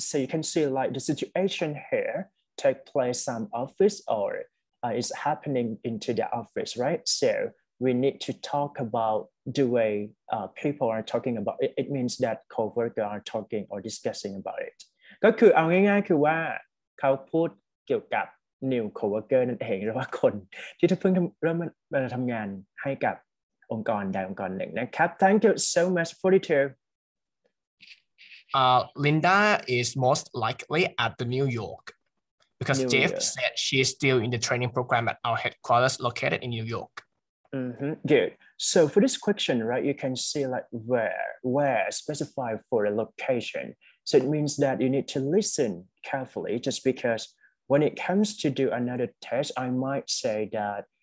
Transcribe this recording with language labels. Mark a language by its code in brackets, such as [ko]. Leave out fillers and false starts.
[en] So you can see like the situation here take place in some office or is happening into the office, right? So we need to talk aboutthe way people are talking about it. It means that co-workers are talking or discussing about it. [th] ก็คือเอาง่ายๆคือว่าเขาพูดเกี่ยวกับ new co-worker นั่นเองหรือว่าคนที่จะเพิ่งเริ่มมาทำงานให้กับองค์กรใดองค์กรหนึ่งนะครับ [en] Thank you so much, 42. Linda is most likely at the New York because New Jeff York. said she is still in the training program at our headquarters located in New York. Mm-hmm, good. So for this question, right, you can see like where specify for a location. So it means that you need to listen carefully just because when it comes to do another test, I might say that